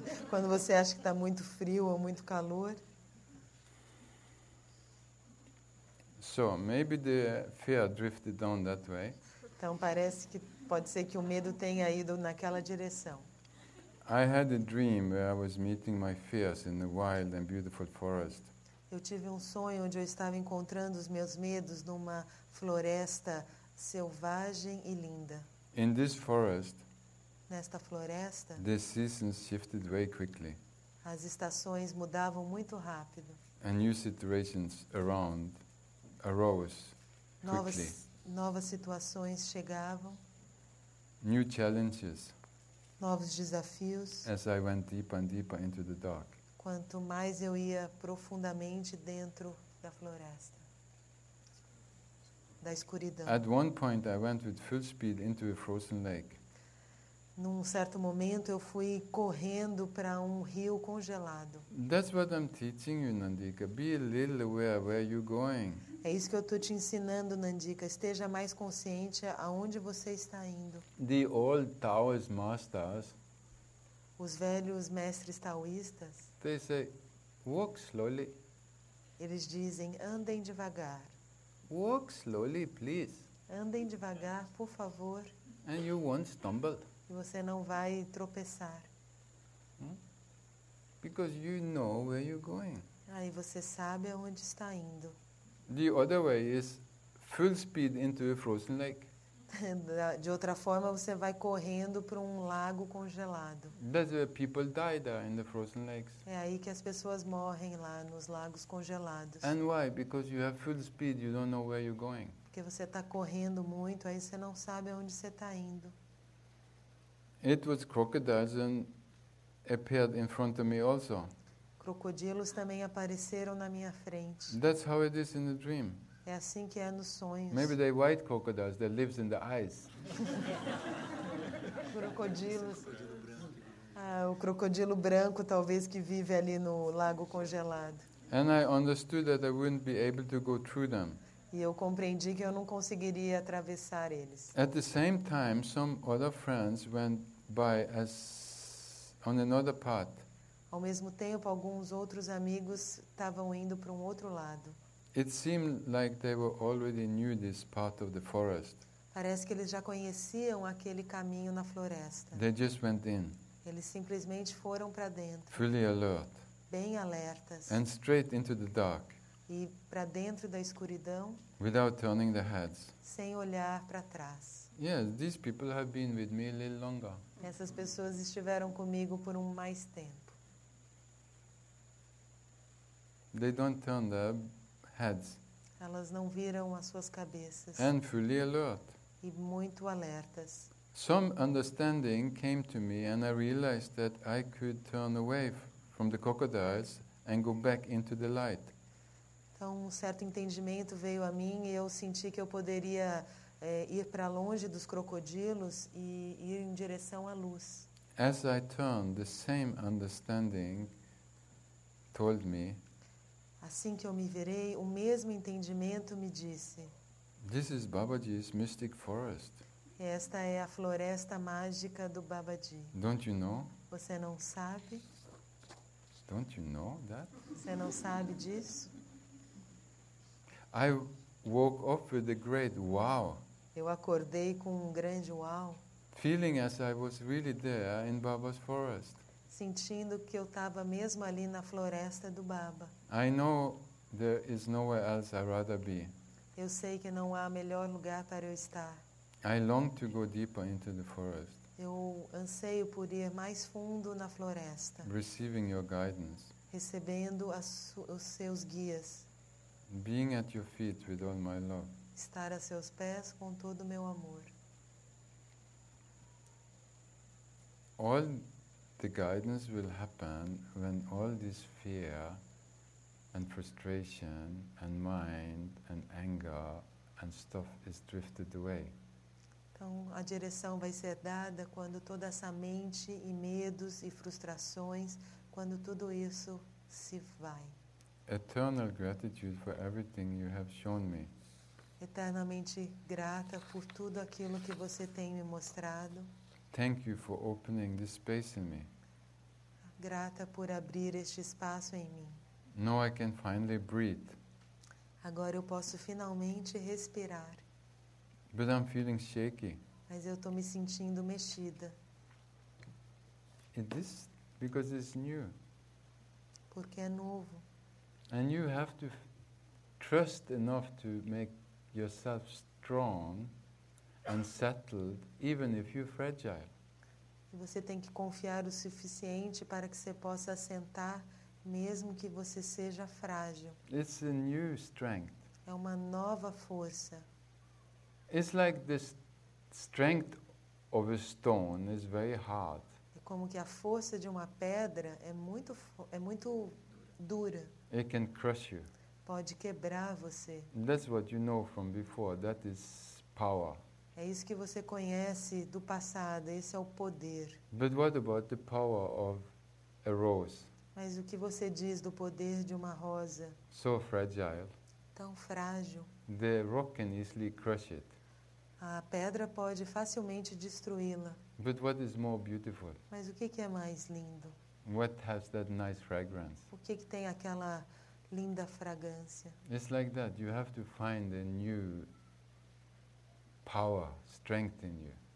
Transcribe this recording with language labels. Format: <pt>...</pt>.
<pt>Quando você acha que está muito frio ou muito calor.</pt> <en>So, maybe the fear drifted down that way.</en> <pt>Então, parece que pode ser que o medo tenha ido naquela direção.</pt> <en>I had a dream where I was meeting my fears in the wild and beautiful forest.</en> <pt>Eu tive um sonho onde eu estava encontrando os meus medos numa floresta selvagem e linda.</pt> <en>In this forest,</en> <pt>nesta floresta,</pt> <en>the seasons shifted very quickly.</en> <pt>As estações mudavam muito rápido.</pt> <en>And new situations around arose quickly.</en> <pt>Novas situações chegavam.</pt> <en>New challenges.</en> <pt>Novos desafios.</pt> <en>As I went deeper and deeper into the dark.</en> <pt>Quanto mais eu ia profundamente dentro da floresta.</pt> <en>At one point, I went with full speed into a frozen lake.</en> <pt>Num certo momento, eu fui correndo para um rio congelado.</pt> <en>That's what I'm teaching you, Nandika. Be a little aware where you're going.</en> <pt>É isso que eu tô te ensinando, Nandika. Esteja mais consciente aonde você está indo.</pt> <en>The old Taoist masters.</en> <pt>Os velhos mestres taoístas.</pt> <en>They say, walk slowly.</en> <pt>Eles dizem, andem devagar.</pt> <en>Walk slowly, please.</en> <pt>Andem devagar, por favor.</pt> <en>And you won't stumble.</en> <pt>E você não vai tropeçar.</pt> <en>Because you know where you're going.</en> <pt>Aí você sabe aonde está indo.</pt> <en>The other way is full speed into a frozen lake.</en> <pt>De outra forma, você vai correndo para um lago congelado.</pt> <en>That's where people die there in the frozen lakes.</en> <pt>É aí que as pessoas morrem lá nos lagos congelados.</pt> <en>And why? Because you have full speed, you don't know where you're going.</en> <pt>Porque você está correndo muito, aí você não sabe aonde você está indo.</pt> <en>It was crocodiles and appeared in front of me also.</en> <pt>Crocodilos também apareceram na minha frente.</pt> <en>That's how it is in the dream.</en> <pt>É assim que é nos sonhos.</pt> <en>Maybe they white crocodiles that lives in the ice.</en> <pt>Crocodilos. Ah, o crocodilo branco talvez que vive ali no lago congelado.</pt> <en>And I understood that I wouldn't be able to go through them.</en> <pt>E eu compreendi que eu não conseguiria atravessar eles.</pt> <en>At the same time, some other friends went by on another path.</en> <pt>Ao mesmo tempo, alguns outros amigos estavam indo para um outro lado.</pt> <en>It seemed like they were already knew this part of the forest.</en> <pt>Parece que eles já conheciam aquele caminho na floresta.</pt> <en>They just went in.</en> <pt>Eles simplesmente foram para dentro.</pt> <en>Fully alert.</en> <pt>Bem alertas.</pt> <en>And straight into the dark.</en> <pt>E para dentro da escuridão.</pt> <en>Without turning their heads.</en> <pt>Sem olhar para trás.</pt> <en>Yes, these people have been with me a little longer.</en> <pt>Essas pessoas estiveram comigo por um mais tempo.</pt> <en>They don't turn their heads.</en> <pt>Elas não viram as suas cabeças.</pt> <en>And fully alert.</en> <pt>E muito alertas.</pt> <en>Some understanding came to me and I realized that I could turn away from the crocodiles and go back into the light.</en> <pt>Então, um certo entendimento veio a mim e eu senti que eu poderia ir para longe dos crocodilos e ir em direção à luz.</pt> <en>As I turned, the same understanding told me</en> <pt>Assim que eu me virei, o mesmo entendimento me disse:</pt> <en>"This is Babaji's mystic forest."</en> <pt>Esta é a floresta mágica do Babaji.</pt> <en>Don't you know?</en> <pt>Você não sabe?</pt> <en>Don't you know that?</en> <pt>Você não sabe disso?</pt> <en>I woke up with a great wow.</en> <pt>Eu acordei com um grande wow.</pt> <en>Feeling as I was really there in Baba's forest.</en> <pt>Sentindo que eu estava mesmo ali na floresta do Baba.</pt> <en>I know there is nowhere else I'd rather be.</en> <pt>Eu sei que não há melhor lugar para eu estar.</pt> <en>I long to go deeper into the forest.</en> <pt>Eu anseio por ir mais fundo na floresta.</pt> <en>Receiving your guidance.</en> <pt>Recebendo os seus guias.</pt> <en>Being at your feet with all my love.</en> <pt>Estar a seus pés com todo o meu amor.</pt> <en>All the guidance will happen when all this fear and frustration and mind and anger and stuff is drifted away.</en> <pt>Então, a direção vai ser dada quando toda essa mente e medos e frustrações, quando tudo isso se vai.</pt> <en>Eternal gratitude for everything you have shown me.</en> <pt>Eternamente grata por tudo aquilo que você tem me mostrado.</pt> <en>Thank you for opening this space in me.</en> <pt>Grata por abrir este espaço em mim.</pt> <en>Now I can finally breathe.</en> <pt>Agora eu posso finalmente respirar.</pt> <en>But I'm feeling shaky.</en> <pt>Mas eu estou me sentindo mexida.</pt> <en>It is because it's new.</en> <pt>Porque é novo.</pt> <en>And you have to trust enough to make yourself strong and settled, even if you're fragile.</en> <pt>E você tem que confiar o suficiente para que você possa assentar, mesmo que você seja frágil.</pt> <en>It's a new strength.</en> <pt>É uma nova força.</pt> <en>It's like the strength of a stone is very hard.</en> <pt>É como que a força de uma pedra é muito dura.</pt> <en>It can crush you.</en> <pt>Pode quebrar você.</pt> <en>That's what you know from before. That is power.</en> <pt>É isso que você conhece do passado. Esse é o poder.</pt> <en>But what about the power of a rose?</en> <pt>Mas o que você diz do poder de uma rosa?</pt> <en>So fragile.</en> <pt>Tão frágil.</pt> <en>The rock can easily crush it.</en> <pt>A pedra pode facilmente destruí-la.</pt> <en>But what is more beautiful?</en> <pt>Mas o que é mais lindo?</pt> <en>What has that nice fragrance?</en> <pt>O que tem aquela linda fragrância?</pt> <en>It's like that. You have to find a new power, strength in you.</en>